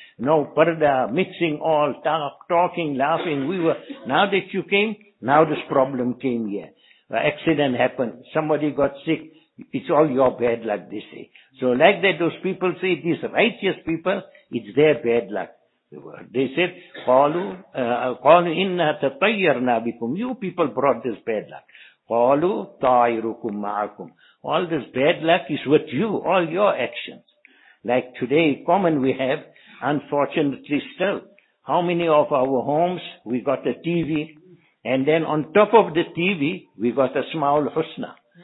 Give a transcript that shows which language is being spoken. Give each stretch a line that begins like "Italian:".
English: No parda, mixing all, talking, laughing. We were, now that you came, now this problem came here. An accident happened. Somebody got sick. It's all your bad luck, they say. So like that, those people say, these righteous people, it's their bad luck. They said,
Arabic: قَالُوا إِنَّا تَطَيَّرْنَا بِكُمْ.
English: You people brought this bad luck.
Arabic: قَالُوا طَائِرُكُمْ مَعَكُمْ.
English: All this bad luck is with you, all your actions. Like today, common we have, unfortunately still, how many of our homes, we got a TV, and then on top of the TV, we got a Asmaul Husna.